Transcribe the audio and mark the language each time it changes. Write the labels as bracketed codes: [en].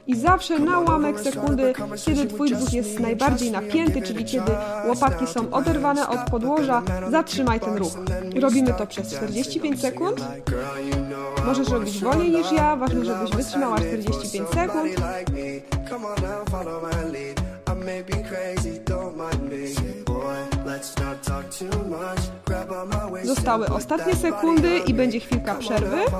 [pl] I zawsze na ułamek sekundy, kiedy Twój brzuch jest najbardziej napięty, czyli kiedy łopatki są oderwane od podłoża, zatrzymaj ten ruch. Robimy to przez 45 sekund. Możesz robić wolniej niż ja, ważne, żebyś wytrzymała 45 sekund. [en] Come on now, follow my lead. I may be crazy, don't mind me. Boy, let's not talk too much. Grab on my waist. [pl] Zostały ostatnie sekundy i będzie chwilka przerwy.